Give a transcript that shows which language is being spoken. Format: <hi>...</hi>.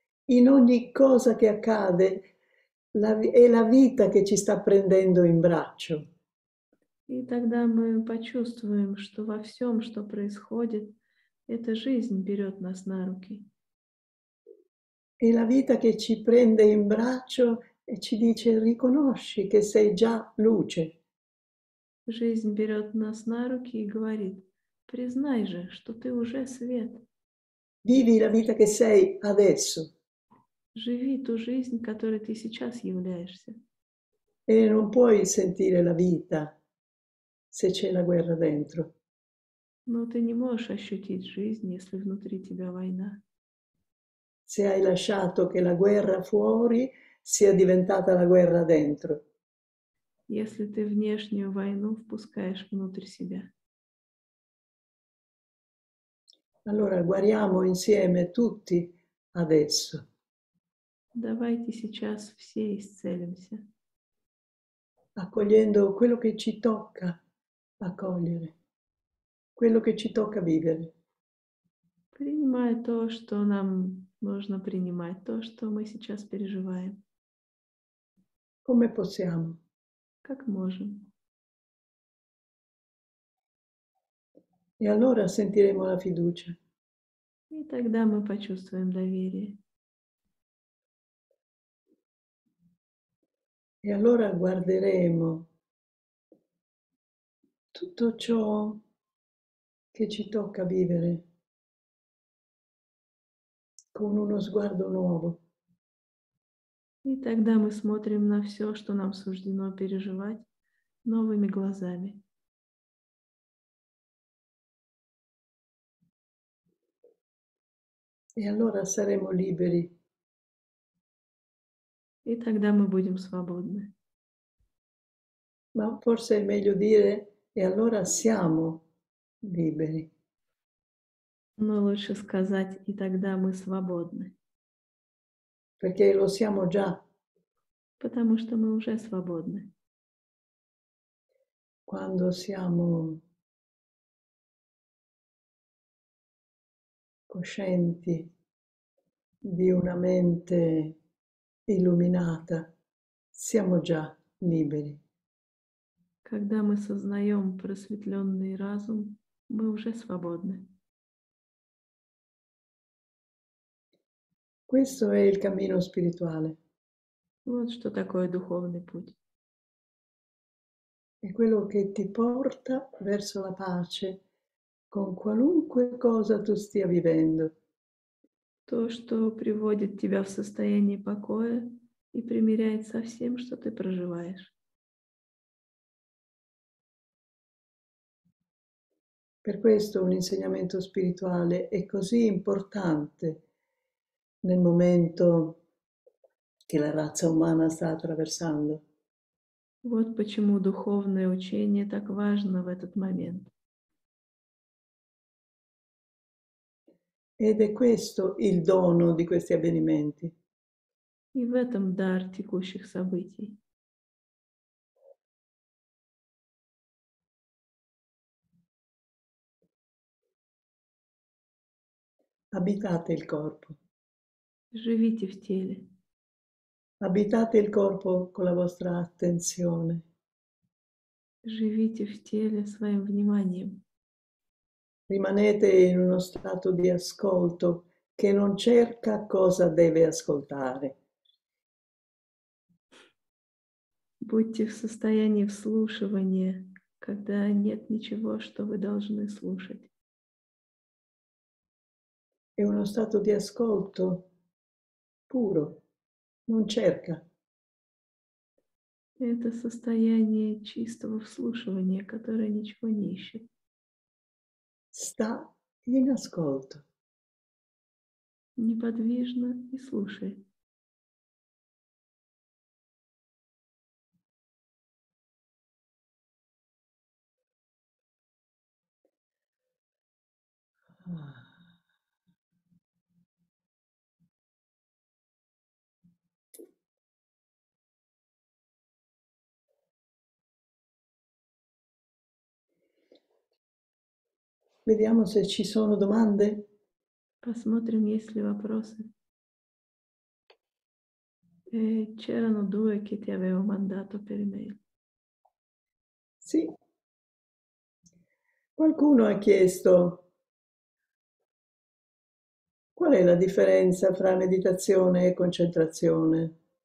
<it>In ogni cosa che accade, è la vita che ci sta prendendo in braccio.</it> <ru>И тогда мы почувствуем, что во всем, что происходит, эта жизнь берет нас на руки.</ru> <it>È la vita che ci prende in braccio e ci dice: riconosci che sei già luce.</it> <ru>Жизнь берет нас на руки и говорит: признай же, что ты уже свет.</ru> <it>Vivi la vita che sei adesso.</it> <ru>Живи ту жизнь, которой ты сейчас являешься.</ru> <it>E non puoi sentire la vita se c'è la guerra dentro.</it> <ru>Но ты не можешь ощутить жизнь, если внутри тебя война.</ru> <it>Se hai lasciato che la guerra fuori sia diventata la guerra dentro.</it> <ru>Если ты внешнюю войну впускаешь внутрь себя.</ru> <it>Allora guariamo insieme tutti adesso.</it> <ru>Давайте сейчас все исцелимся.</ru> <it>Accogliendo quello che ci tocca. Accogliere quello che ci tocca vivere.</it> <ru>Принимая то, что нам Можно принимать то, что мы сейчас переживаем.</ru> <it>Come possiamo?</it> <ru>Как можем.</ru> <it>E allora sentiremo la fiducia.</it> <ru>И тогда мы почувствуем доверие.</ru> <it>E allora guarderemo tutto ciò che ci tocca vivere con uno sguardo nuovo.</it> <ru>И тогда мы смотрим на все, что нам суждено переживать, новыми глазами.</ru> <it>E allora saremo liberi.</it> <ru>И тогда мы будем свободны.</ru> <it>Ma forse è meglio dire, e allora siamo liberi.</it> <ru>Но лучше сказать, и тогда мы свободны.</ru> <it>Perché lo siamo già.</it> <ru>Потому что мы уже свободны.</ru> <it>Quando siamo coscienti di una mente illuminata, siamo già liberi.</it> <ru>Когда мы сознаем просветленный разум, мы уже свободны.</ru> <it>Questo è il cammino spirituale.</it> <ru>Вот что такое духовный путь.</ru> <it>È quello che ti porta verso la pace con qualunque cosa tu stia vivendo.</it> <ru>То, что приводит тебя в состояние покоя и примиряет со всем, что ты проживаешь.</ru> <it>Per questo un insegnamento spirituale è così importante nel momento che la razza umana sta attraversando.</it> <ru>Вот почему духовное учение так важно в этот момент.</ru> <it>Ed è questo il dono di questi avvenimenti.</it> <ru>И в этом дар текущих событий.</ru> <it>Abitate il corpo.</it> <ru>Живите в теле.</ru> <it>Abitate il corpo con la vostra attenzione.</it> <ru>Живите в теле своим вниманием.</ru> <it>Rimanete in uno stato di ascolto che non cerca cosa deve ascoltare.</it> <ru>Будьте в состоянии вслушивания, когда нет ничего, что вы должны слушать.</ru> <it>È uno stato di ascolto puro, non cerca.</it> <ru>Это состояние чистого вслушивания, которое ничего не ищет.</ru> <it>Sta in ascolto.</it> <ru>Неподвижно и слушай.</ru> <it>Vediamo se ci sono domande.</it> <ru>Посмотрим, есть ли вопросы.</ru> <it>C'erano due che ti avevo mandato per email. Sì. Qualcuno ha chiesto qual è la differenza fra meditazione e concentrazione?</it>